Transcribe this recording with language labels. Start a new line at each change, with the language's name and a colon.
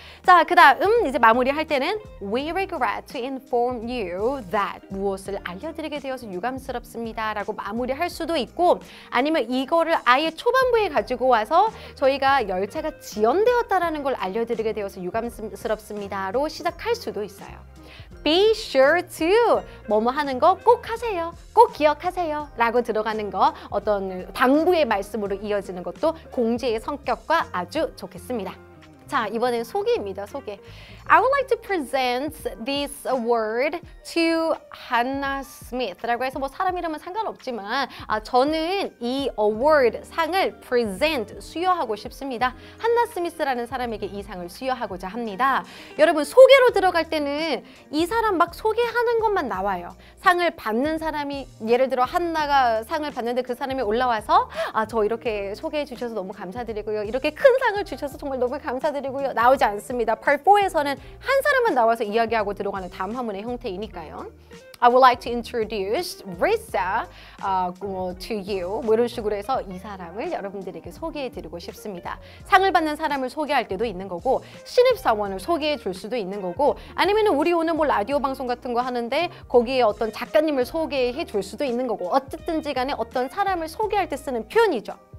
Korean: 자, 그 다음 이제 마무리할 때는
English: we regret to inform you that
Korean: 무엇을 알려드리게 되어서 유감스럽습니다 라고 마무리할 수도 있고 아니면 이거를 아예 초반부에 가지고 와서 저희가 열차가 지연되었다라는 걸 알려드리게 되어서 유감스럽습니다 로 시작할 수도 있어요.
English: Be sure to
Korean: 뭐뭐 하는 거 꼭 하세요. 꼭 기억하세요. 라고 들어가는 거 어떤 당부의 말씀으로 이어지는 것도 공지의 성격과 아주 좋겠습니다. 자, 이번엔 소개입니다. 소개.
English: I would like to present this award to Hannah Smith.
Korean: 라고 해서 뭐 사람 이름은 상관없지만 저는 이 award 상을 present, 수여하고 싶습니다. Hannah Smith라는 사람에게 이 상을 수여하고자 합니다. 여러분, 소개로 들어갈 때는 이 사람 막 소개하는 것만 나와요. 상을 받는 사람이, 예를 들어 Hannah가 상을 받는데 그 사람이 올라와서 저 이렇게 소개해 주셔서 너무 감사드리고요. 이렇게 큰 상을 주셔서 정말 너무 감사드리고요. 나오지 않습니다. Part 4에서 저는 한 사람만 나와서 이야기하고 들어가는 다음 화문의 형태이니까요.
English: I would like to introduce Risa to you.
Korean: 이런 식으로 해서 이 사람을 여러분들에게 소개해드리고 싶습니다. 상을 받는 사람을 소개할 때도 있는 거고 신입사원을 소개해줄 수도 있는 거고 아니면 우리 오늘 뭐 라디오 방송 같은 거 하는데 거기에 어떤 작가님을 소개해줄 수도 있는 거고 어쨌든지 간에 어떤 사람을 소개할 때 쓰는 표현이죠.